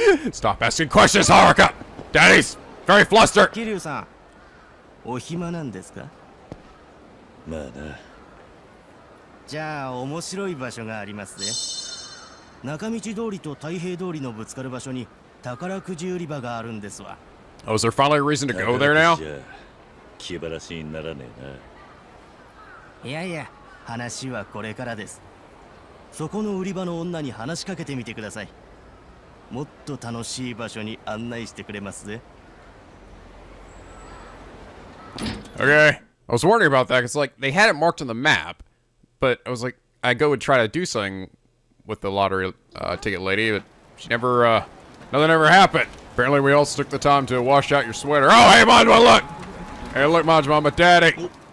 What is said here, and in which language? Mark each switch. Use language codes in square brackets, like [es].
[en] Stop asking questions, Haruka. Daddy's very flustered. [ja] キリュウさん、お暇なんですか？まあな。じゃあ面白い場所がありますね。中道通りと太平通りのぶつかる場所に宝くじ売り場があるんですわ。 [en] Oh, is there finally a reason to go there now? [ja] 気晴らしにならねえな。いやいや、話はこれからです。そこの売り場の女に話しかけてみてください。もっと楽しい場所に案内してくれますぜ。 [en] Okay. I was wondering about that, because, like, they had it marked on the map, but I was like, I go and try to do something with the lottery, ticket lady, but she never, nothing ever happened. Apparently, we all took the time to wash out your sweater. Oh, hey, Majima, look! Hey, look, Majima, I'm a daddy!